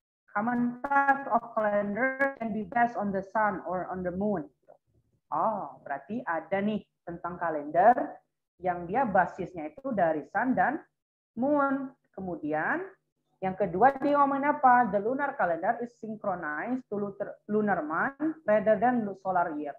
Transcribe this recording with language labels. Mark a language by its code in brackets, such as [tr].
[en] Common type of calendar can be based on the sun or on the moon. [id] Oh, berarti ada nih tentang kalender yang dia basisnya itu dari sun dan moon. Kemudian yang kedua dia ngomongin apa? [en] The lunar calendar is synchronized to lunar month rather than solar year.